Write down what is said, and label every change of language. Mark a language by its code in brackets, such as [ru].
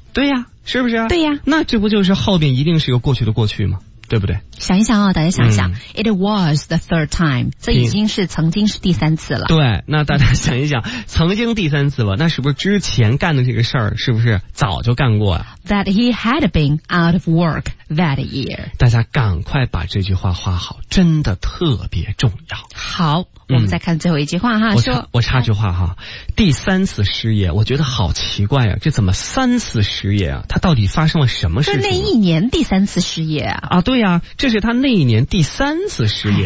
[zh] 对呀，是不是？对呀，那这不就是后面一定是一个过去的过去吗？对不对？想一想啊，大家想一想、 [en] It was the third time， [zh] 这已经是曾经是第三次了。对，那大家想一想，曾经第三次了，那是不是之前干的这个事儿是不是早就干过啊？ [en] That he had been out of work that year。 [zh] 大家赶快把这句话画好，真的特别重要。好，我们再看最后一句话哈。我插句话哈，第三次失业，我觉得好奇怪啊，这怎么三次失业啊？他到底发生了什么事情？就那一年第三次失业啊。啊，对呀、啊，这是他那一年第三次失业、